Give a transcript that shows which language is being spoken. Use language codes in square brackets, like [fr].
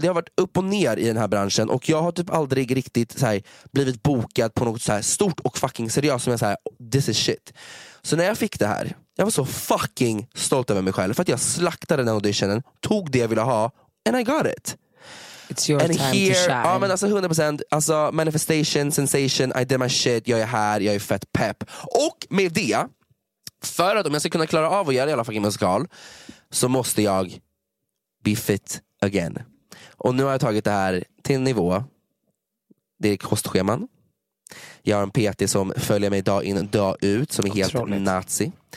[sv] Det har varit upp och ner i den här branschen. Och jag har typ aldrig riktigt så här, blivit bokad på något så här stort och fucking seriöst. Som jag säger, this is shit. Så när jag fick det här, jag var så fucking stolt över mig själv. För att jag slaktade den auditionen, tog det jag ville ha, and I got it. [en] It's your and time here, to shine. [sv] Ja, men alltså 100%. [en] Alltså manifestation, sensation, I did my shit. [sv] Jag är här, jag är fett pepp. Och med det, för att om jag ska kunna klara av att göra i alla fucking musikal, så måste jag be fit again. Och nu har jag tagit det här till nivå. Det är kostscheman. Jag har en PT som följer mig dag in dag ut, som är helt nazi.